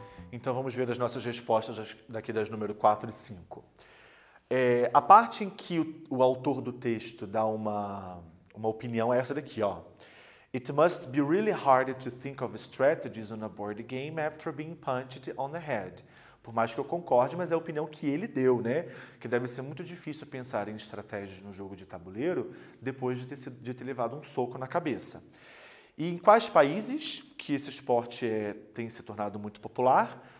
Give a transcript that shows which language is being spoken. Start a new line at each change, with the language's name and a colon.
Portuguese: Então, vamos ver as nossas respostas daqui das número 4 e 5. A parte em que o autor do texto dá uma opinião é essa daqui, ó.
English: It must be really hard to think of strategies on a board game after being punched on the head.
Portuguese: Por mais que eu concorde, mas é a opinião que ele deu, né? Que deve ser muito difícil pensar em estratégias no jogo de tabuleiro depois de ter levado um soco na cabeça. E em quais países que esse esporte tem se tornado muito popular?